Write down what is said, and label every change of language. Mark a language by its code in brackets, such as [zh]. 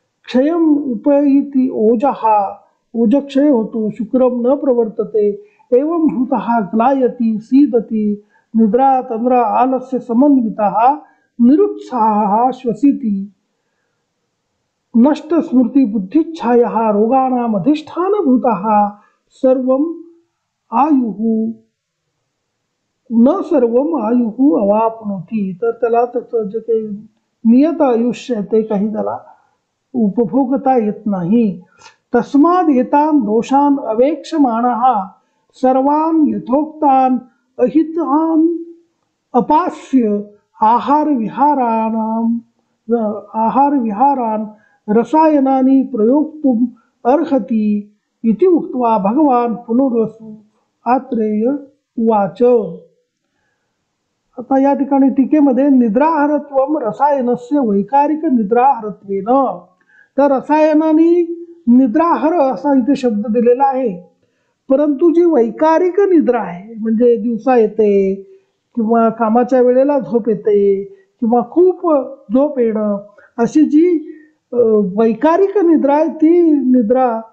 [sa] क्षयम उपयति ओजहा ओजक्षय होतो शुक्रम न प्रवर्तते एवं भूतः ग्लायति सीदति निद्रा तंद्रा आलस्य समन्वितः निरुत्साह श्वसिति नष्ट स्मृति बुद्धिच्छायाः रोगाणाम् अधिष्ठान भूतः सर्वम् आयुः न सर्वम् आयुः अवाप्नोति। [mr] तर त्याला त्याचं जे काही नियत आयुष्य आहे ते काही त्याला उपभोगता येत नाही। [sa] तस्माद् एतान् दोषान् अवेक्षमाणः सर्वान् यथोक्तान् अहितान् अपास्य आहार विहारान् रसायनानि प्रयोक्तुम् अर्हति इति उक्त्वा भगवान् पुनरसु आत्रेय उवाच। [mr] आता या ठिकाणी टीकेमध्ये [sa] निद्राहारत्वं रसायनस्य वैकारिक निद्राहारत्वेन, [mr] तर रसायनानि निद्राहार असा इथे शब्द दिलेला आहे, परंतु जी वैकारिक निद्रा आहे म्हणजे दिवसा येते किंवा कामाच्या वेळेला झोप येते किंवा खूप झोप येणं अशी जी वैकारिक निद्रा आहे ती निद्रा